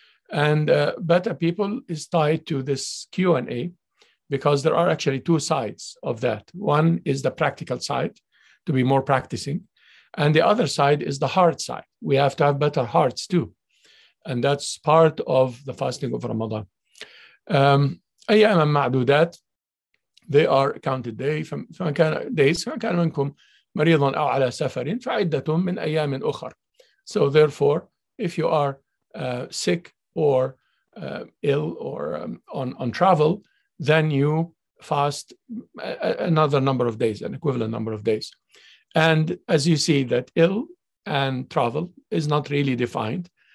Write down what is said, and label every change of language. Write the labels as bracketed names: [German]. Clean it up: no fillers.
[English] And better people is tied to this Q&A because there are actually two sides of that. One is the practical side, to be more practicing. And the other side is the heart side. We have to have better hearts too. And that's part of the fasting of Ramadan. [Arabic] أيام معدودات, [English] they are counted day, [Arabic] فكان [English] days, [Arabic] فكان منكم مريضا أو على سفر, فعدة من أيام أخر. [English] So therefore, if you are sick or ill or on travel, then you fast another number of days, an equivalent number of days. And as you see that ill and travel is not really defined.